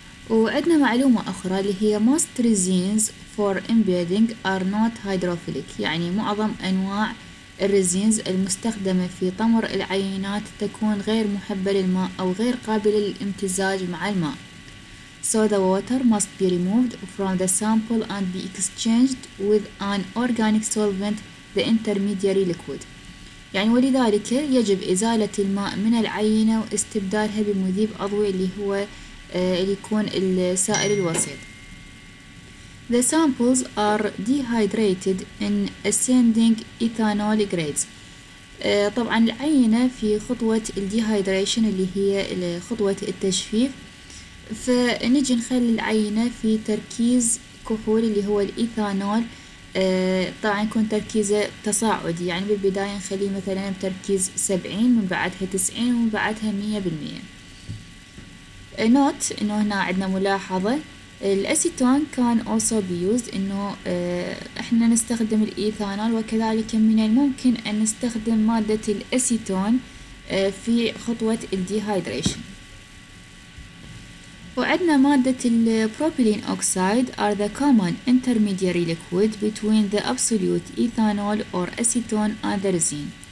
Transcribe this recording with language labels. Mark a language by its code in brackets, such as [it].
[ar] وعندنا معلومة أخرى اللي هي [en] most resins for embedding are not hydrophilic، [ar] يعني معظم أنواع الرزينز المستخدمة في طمر العينات تكون غير محبة للماء أو غير قابلة للامتزاج مع الماء. [en] So the water must be removed from the sample and be exchanged with an organic solvent, the intermediary liquid. [ar] يعني ولذلك يجب إزالة الماء من العينة واستبدالها بمذيب عضوي اللي هو اللي يكون السائل الوسيط. [en] The samples are dehydrated in ascending ethanol grades. [ar] طبعا العينة في خطوة dehydration اللي هي خطوة التجفيف، فنجي نخلي العينة في تركيز كحول اللي هو الإيثانول. طبعا يكون تركيزه تصاعدي، يعني بالبداية نخليه مثلا بتركيز 70، من بعدها 90، ومن بعدها 100%. نوت انه هنا عندنا ملاحظة، الأسيتون كان [en] also be used، [ar] انه احنا نستخدم الإيثانول، وكذلك من الممكن ان نستخدم مادة الأسيتون في خطوة الديهايدريشن. وعندنا مادة البروبيلين أوكسيد [en] are the common intermediary liquid between the absolute ethanol or acetone and the resin.